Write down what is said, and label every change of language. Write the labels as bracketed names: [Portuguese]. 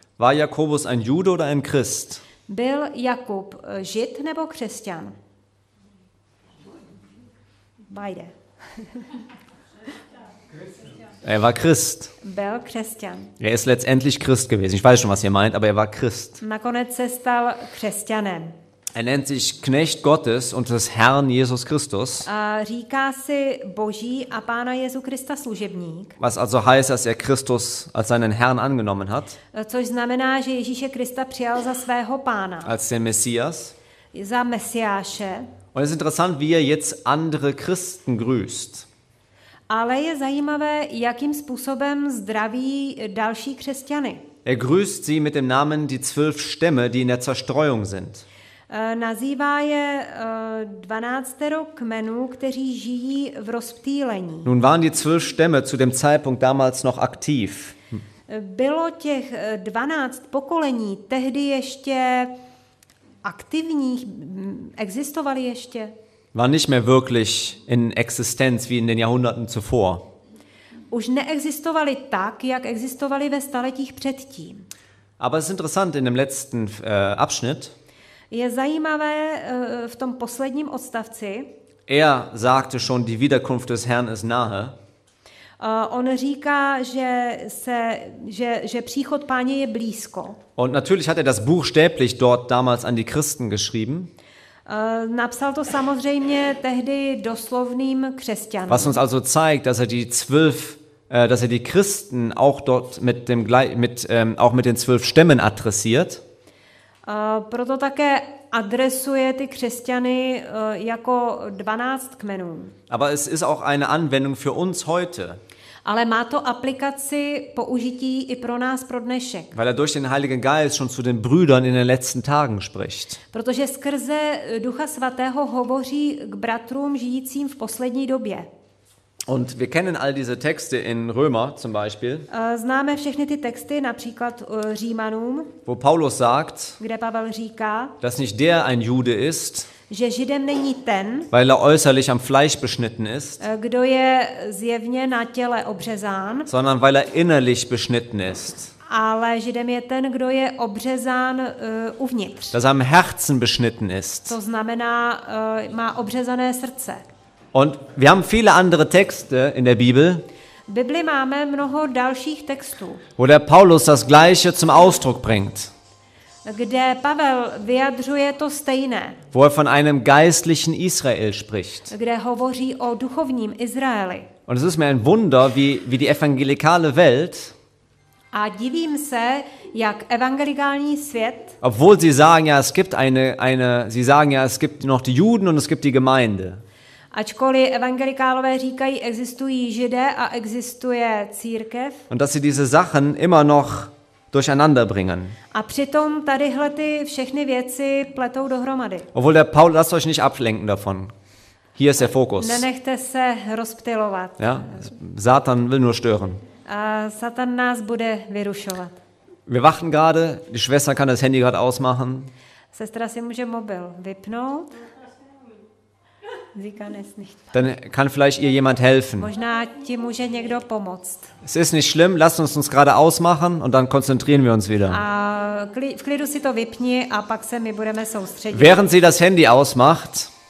[German] War Jakobus ein Jude oder ein Christ? [Czech] Byl Jakub Žid nebo křesťan? [German] Beide. Er war Christ. [Czech] Byl křesťan. [German] Er ist letztendlich Christ gewesen. Ich weiß schon, was ihr meint, aber er war Christ. [Czech] Nakonec se stal křesťanem. [German] Er nennt sich Knecht Gottes und des Herrn Jesus Christus. [Czech] A říká si Boží a Pána Jezu Krista služebník. [German] Was also heißt, dass er Christus als seinen Herrn angenommen hat. [Czech] Což znamená, že Ježíše Krista přijal za svého Pána. [German] Als den Messias. [Czech] Za Mesiáše. [German] Und es ist interessant, wie er jetzt andere Christen grüßt. [Czech] Ale je zajímavé, jakým způsobem zdraví další křesťany. [German] Er grüßt sie mit dem Namen die 12 Stämme, die in der Zerstreuung sind. [Czech] Nazývá je 12 kmenů, kteří žijí v rozptýlení. [German] Nun waren die 12 Stämme zu dem Zeitpunkt damals noch aktiv. [Czech] Bylo těch 12 pokolení tehdy ještě aktivních, existovali ještě? [German] War nicht mehr wirklich in Existenz wie in den Jahrhunderten zuvor. [Czech] Už neexistovali tak, jak existovali ve staletích předtím. [German] Aber es ist interessant in dem letzten Abschnitt. [Czech] Je zajímavé v tom posledním odstavci. [German] Er sagte schon, die Wiederkunft des Herrn ist nahe. [Czech] On říká, že příchod Páně je blízko. [German] Und natürlich hat er das buchstäblich dort damals an die Christen geschrieben. [Czech] Napsal to samozřejmě tehdy doslovným křesťanům. [German] Was uns also zeigt, dass er die 12, dass er die Christen auch dort mit den 12 Stämmen adressiert. [Czech] Proto také adresuje ty křesťany jako 12 kmenů. [German] Aber es ist auch eine Anwendung für uns heute. [Czech] Ale má to aplikaci použití i pro nás pro dnešek. [German] Weil er durch den Heiligen Geist schon zu den Brüdern in den letzten Tagen spricht. [Czech] Protože skrze Ducha Svatého hovoří k bratrům žijícím v poslední době. [German] Und wir kennen all diese Texte in Römer zum Beispiel. [Czech] Známe všechny ty texty, například Římanům. [German] Wo Paulus sagt, [Czech] kde Pavel říká, [German] dass nicht der ein Jude ist, [Czech] že Židem není ten, [German] weil er äußerlich am Fleisch beschnitten ist, [Czech] kdo je zjevně na těle obřezán, [German] sondern weil er innerlich beschnitten ist. [Czech] Ale Židem je ten, kdo je obřezán uvnitř. [German] Dass er am Herzen beschnitten ist. [Czech] To znamená, má obřezané srdce. [German] Und wir haben viele andere Texte in der Bibel. [Czech] Bibli máme mnoho dalších textů. [German] Wo der Paulus das gleiche zum Ausdruck bringt. [Czech] Kde Pavel vyjadřuje to stejné. [German] Wo er von einem geistlichen Israel spricht. [Czech] Kde hovoří o duchovním Izraeli. [German] Und es ist mir ein Wunder, wie die evangelikale Welt. [Czech] A divím se, jak evangelikální svět. [German] Obwohl sie sagen ja, es gibt eine sie sagen ja, es gibt noch die Juden und es gibt die Gemeinde. [Czech] Ačkoliv evangelikálové říkají, existují Židé a existuje církev. [German] Und dass sie diese Sachen immer noch durcheinander bringen. [Czech] A přitom tadyhle ty všechny věci pletou dohromady. [German] Obwohl der Paul, lasst euch nicht ablenken davon. Hier ist der Fokus. [Czech] Nenechte se rozptylovat. [German] Ja? Satan will nur stören. [Czech] A Satan nás bude vyrušovat. [German] Wir warten gerade, die Schwester kann das Handy gerade ausmachen. [Czech] Sestra si může mobil vypnout. [German] Sie kann es nicht. Dann kann vielleicht ihr jemand helfen. [Czech] Možná ti může někdo pomoct. [German] Es ist nicht schlimm, lass uns gerade ausmachen und dann konzentrieren wir uns wieder. [Czech] A v klidu si to vypni a pak se my budeme soustředit. [German] Während sie das Handy ausmacht.